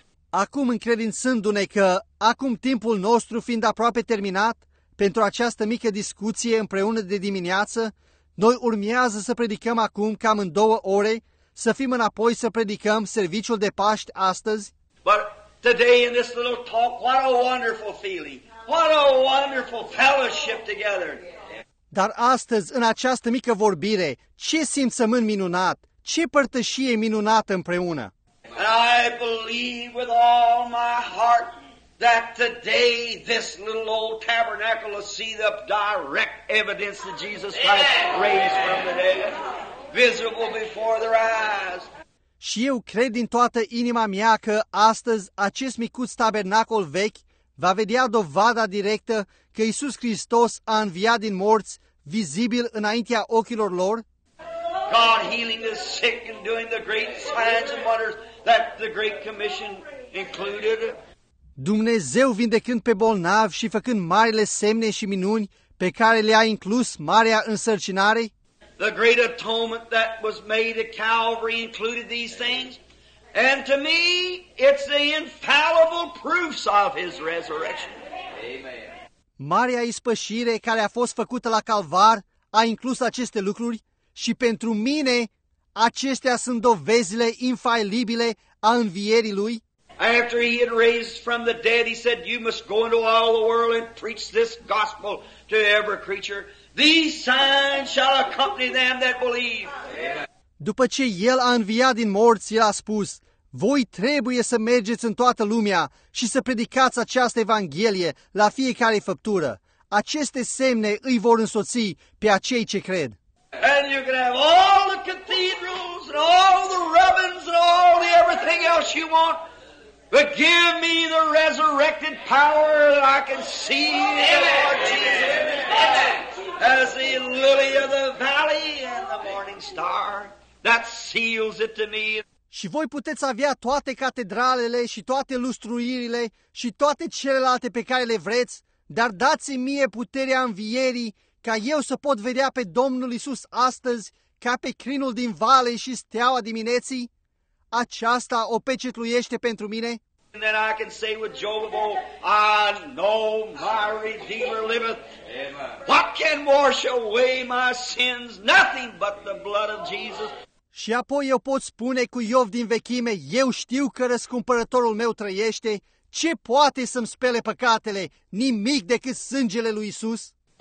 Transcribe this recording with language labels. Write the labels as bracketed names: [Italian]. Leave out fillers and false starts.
[Romanian] Acum încredințându-ne că acum timpul nostru fiind aproape terminat pentru această mică discuție împreună de dimineață, noi urmează să predicăm acum cam în 2 ore. Să fim înapoi să predicăm serviciul de Paști astăzi. [English] But today in this little talk, what a wonderful feeling. What a wonderful fellowship together. [Romanian] Dar astăzi, în această mică vorbire, ce simțământ minunat, ce părtășie minunată împreună. [English] And I believe with all my heart that today this little old tabernacle will see the direct evidence that Jesus Christ raised from the dead. Visible before their eyes. [Romanian] Și eu cred din toată inima mea că astăzi acest micuț tabernacol vechi va vedea dovada directă că Iisus Hristos a înviat din morți vizibil înaintea ochilor lor? [English] God healing the sick and doing the great signs and wonders that the Great Commission included. [Romanian] Dumnezeu vindecând pe bolnavi și făcând marile semne și minuni pe care le-a inclus marea însărcinare. [English] The great atonement that was made at Calvary included these things. And to me, it's the infallible proofs of his resurrection. [Romanian] Marea ispășire care a fost făcută la Calvar a inclus aceste lucruri și pentru mine acestea sunt dovezile infailibile a învierii lui. [English] After he had raised from the dead, he said, you must go into all the world and preach this gospel to every creature. These signs shall accompany them that believe. [Romanian] După ce el a înviat din morți, el a spus, voi trebuie să mergeți în toată lumea și să predicați această evanghelie la fiecare făptură. Aceste semne îi vor însoți pe acei ce cred. [English] And you can have all the cathedrals and all the ribbons and all the everything else you want, but give me the resurrected power that I can see in the Lord Jesus as the lily of the valley and the morning star. That seals it to me. [Romanian] Și voi puteți avea toate catedralele și toate lustruirile și toate celelalte pe care le vreți, dar dați-mi mie puterea învierii ca eu să pot vedea pe Domnul Iisus astăzi ca pe crinul din vale și steaua dimineții. Aceasta o pecetluiește pentru mine. [English] And then I can say with Job of old, I know my Redeemer liveth. Amen. What can wash away my sins? Nothing but the blood of Jesus. [Romanian] Și apoi eu pot spune cu Iov din vechime, eu știu că răscumpărătorul meu trăiește, ce poate să-mi spele păcatele? Nimic decât sângele lui Iisus.